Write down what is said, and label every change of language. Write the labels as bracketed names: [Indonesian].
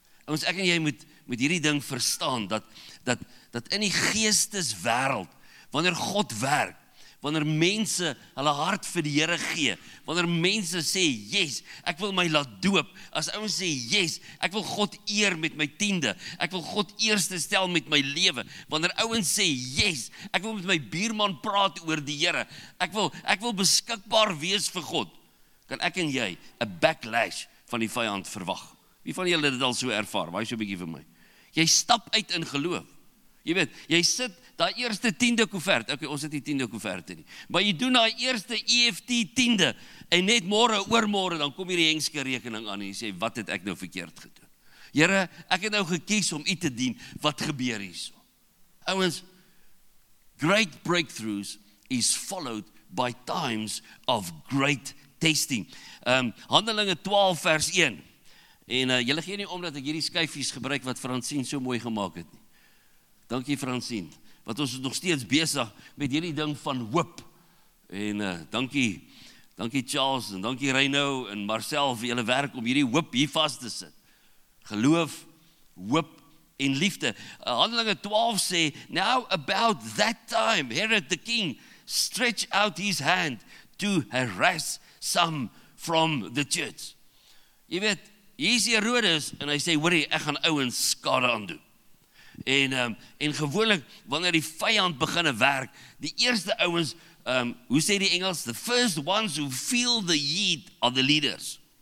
[Afrikaans] Ons ek en jy moet hierdie ding verstaan dat in die geesteswêreld wanneer God werk, wanneer mense hulle hart vir die Here gee, wanneer mense sê, yes, ek wil my laat doop, as ouens sê, yes, ek wil God eer met my tiende, ek wil God eerste stel met my lewe, wanneer ouens sê, yes, ek wil met my buurman praat oor die Here, ek wil beskikbaar wees vir God, kan ek en jy 'n backlash van die vyand verwag. Wie van julle het dit al so ervaar? Waai so 'n bietjie vir my. Jy stap uit in geloof. Jy weet, jy sit daai eerste tiende koevert, okay, ons het die tiende koeverte nie, maar jy doen daai eerste EFT tiende, en net môre, oormôre, dan kom hier die Hengske rekening aan, en jy sê, wat het ek nou verkeerd gedoen? Here, ek het nou gekies om u te dien. Wat gebeur hierso? Ouens, [English] great breakthroughs is followed by times of great testing. [Afrikaans] Handelinge 12 vers 1. En julle gee nie om dat ek hierdie skyfies gebruik wat Francine so mooi gemaak het nie. Dankie Francine. Want ons is nog steeds besig met hierdie ding van hoop. En dankie Charles en dankie Reino en Marcel vir julle werk om hierdie hoop hier vast te sit. Geloof, hoop en liefde. Handelinge 12 sê, [English] now about that time, Herod the king stretched out his hand to harass some from the church. [Afrikaans] Jy weet, hier is Herodes en hy sê, hoorie, ek gaan ouens skade aandoen. En gewoonlik, wanneer die vijand begin werk, die eerste ouens, hoe sê die Engels, [English] the first ones who feel the heat are the leaders.